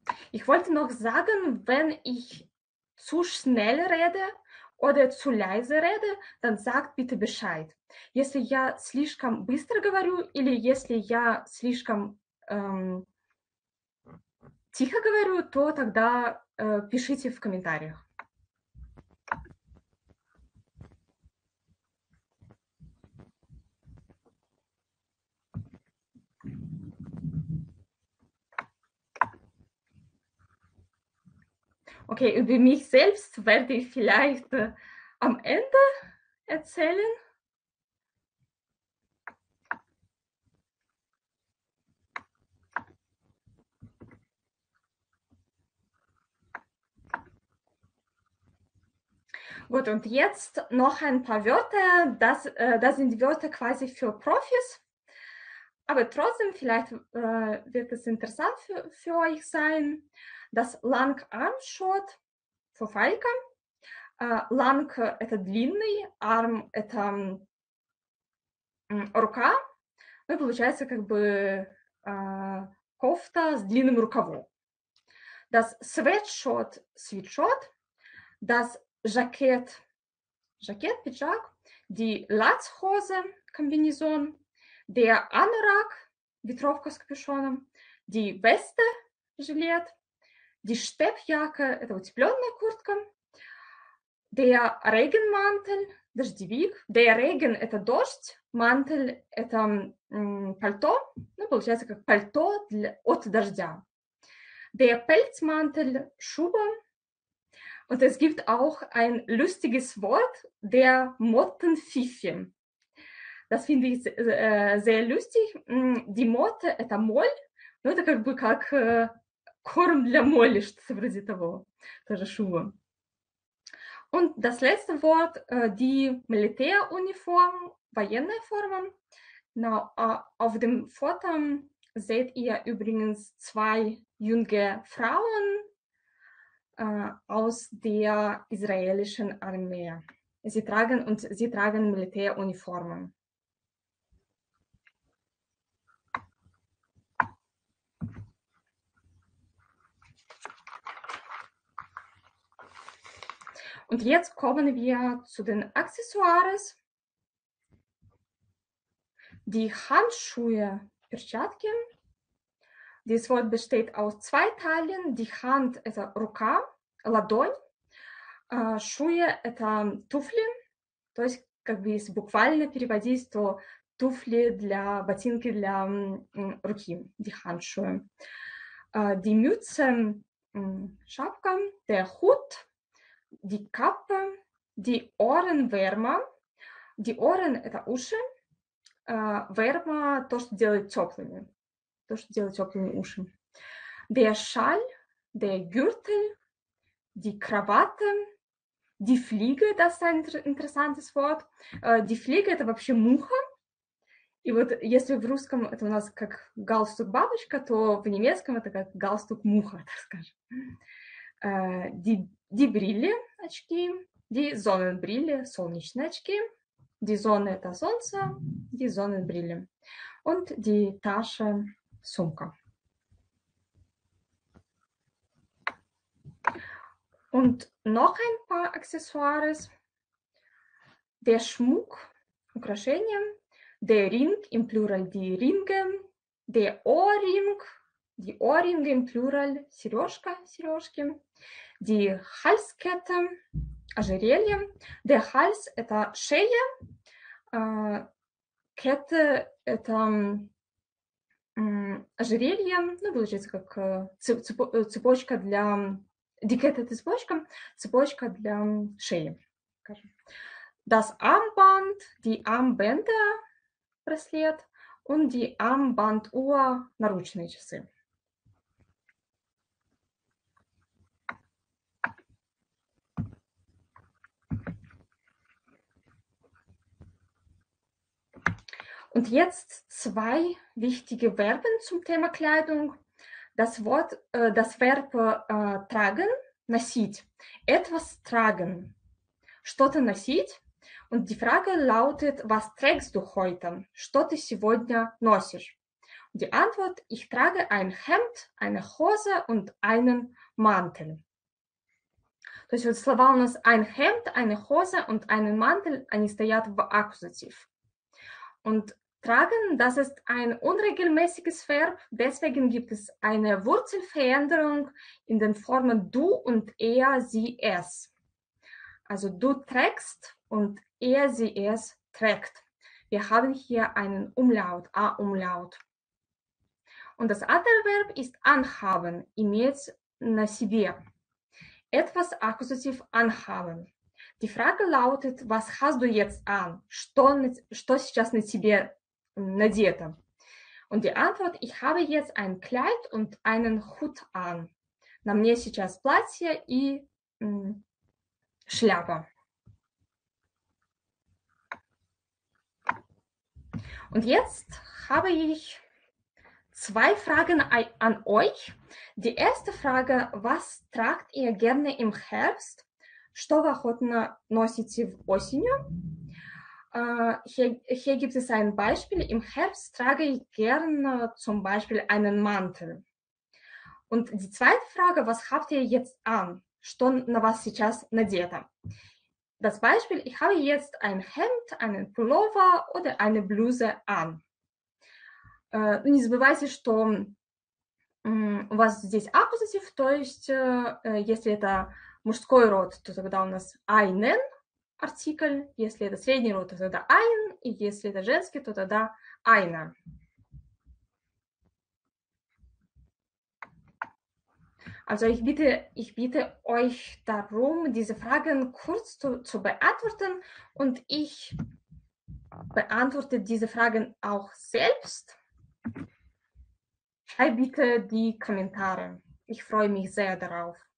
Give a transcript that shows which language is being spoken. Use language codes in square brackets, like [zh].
[de] Ich wollte noch sagen, wenn ich zu schnell rede oder zu leise rede, dann sagt bitte Bescheid. [ru] Если я слишком быстро говорю или если я слишком тихо говорю, то тогда пишите в комментариях. [de] Okay, über mich selbst werde ich vielleicht am Ende erzählen. Gut, und jetzt noch ein paar Wörter. Das sind Wörter quasi für Profis. Aber trotzdem, vielleicht wird es interessant für euch sein. Das Langarmshot für Falken. [ru] Lang, это длинный, Arm, это рука. Ну, получается, Кофта с длинным рукавом. [de] Das Sweatshot, Sweatshot. Das Jackett, Jackett, Pidgin, die Latzhose, Kombination, der Anorak, [ru] Ветровка с капюшоном, [de] die Weste, Жилет, die Steppjacke, [ru] это утепленная куртка, [de] der Regenmantel, [ru] Дождевик, [de] der Regen, [ru] это дождь, [de] Mantel, [ru] это пальто, ну, получается, как пальто от дождя, [de] der Pelzmantel, [ru] Шуба. [de] Und es gibt auch ein lustiges Wort, der Mottenpfiffen. Das finde ich sehr lustig. [ru] Die Motte, это моль, ну это как бы как корм для моли, что-то вроде того, тоже Schuhe. [de] Und das letzte Wort, die Militäruniform, военная форма. Na, auf dem Foto seht ihr übrigens zwei junge Frauen aus der israelischen Armee. Sie tragen Militäruniformen. Und jetzt kommen wir zu den Accessoires. Die Handschuhe, Перчатки. Dieses Wort besteht aus zwei Teilen. Die Hand, also Рука. [ru] Ладонь, Шуе – это туфли, то есть, как бы, если буквально переводить, то туфли для, ботинки для руки, die Handschuhe. Die Mütze, Шапка, [de] der Hut, die Kappe, die Ohrenwärmer, die Ohren [ru] – это уши, Wärmer – то, что делает теплыми, то, что делает теплыми уши. [de] Der Schal, der Gürtel, die Krawatte, die Fliege, das ist ein interessantes Wort. [ru] Die Fliege, это вообще муха. И вот если в русском это у нас как галстук бабочка, то в немецком это как галстук муха, так скажем. [de] Die Brille, очки. Die Sonnenbrille, [ru] солнечные очки. [de] Die Sonne, [ru] это солнце. [de] Die Sonnenbrille. Und die Tasche, сумка. Und noch ein paar Accessoires. Der Schmuck, Украшения. Der Ring, im Plural die Ringe. Der Ohrring, die Ohrringe im Plural, [ru] Сережка, Сережки. [de] Die Halskette, Ожерелье. Der Hals, [ru] это Шея. Kette, это Ожерелье. Ну, получается, как цепочка для... Дикета цепочка для шеи. [de] Das Armband, die Armbänder, браслет, und die Armbanduhr, [ru] наручные часы. [de] Und jetzt zwei wichtige Verben zum Thema Kleidung. Das Verb tragen, [ru] носить, [de] etwas tragen, [ru] что-то носить. [de] Und die Frage lautet, was trägst du heute? [ru] Что ты сегодня носишь? [de] Und die Antwort, ich trage ein Hemd, eine Hose und einen Mantel. [ru] То есть вот слова у нас [de] ein Hemd, eine Hose und einen Mantel, [ru] они стоят в Аккузатив. [de] Und tragen, das ist ein unregelmäßiges Verb, deswegen gibt es eine Wurzelveränderung in den Formen du und er, sie, es. Also du trägst und er, sie, es trägt. Wir haben hier einen Umlaut, A-Umlaut. Und das andere Verb ist anhaben, [ru] иметь на себе. [de] etwas Akkusativ anhaben. Die Frage lautet, was hast du jetzt an? [ru] Что сейчас на тебе надето? [de] Und die Antwort, ich habe jetzt ein Kleid und einen Hut an. [ru] На мне сейчас платье и шляпа. [de] Und jetzt habe ich zwei Fragen an euch. Die erste Frage, was tragt ihr gerne im Herbst? [ru] Что вы охотно носите в осенью? [de] Hier gibt es ein Beispiel. Im Herbst trage ich gerne zum Beispiel einen Mantel. Und die zweite Frage, was habt ihr jetzt an? [ru] Что на вас сейчас надето? [de] Das Beispiel, ich habe jetzt ein Hemd, einen Pullover oder eine Bluse an. [ru] Не забывайте, что у вас здесь акузатив, то есть, если это мужской род, то тогда у нас [de] einen Artikel, [ru] если это средний род, то тогда ein, и если это женский, то тогда eine. [de] Also ich bitte euch darum, diese Fragen kurz zu beantworten und ich beantworte diese Fragen auch selbst. Schreibt bitte die Kommentare. Ich freue mich sehr darauf.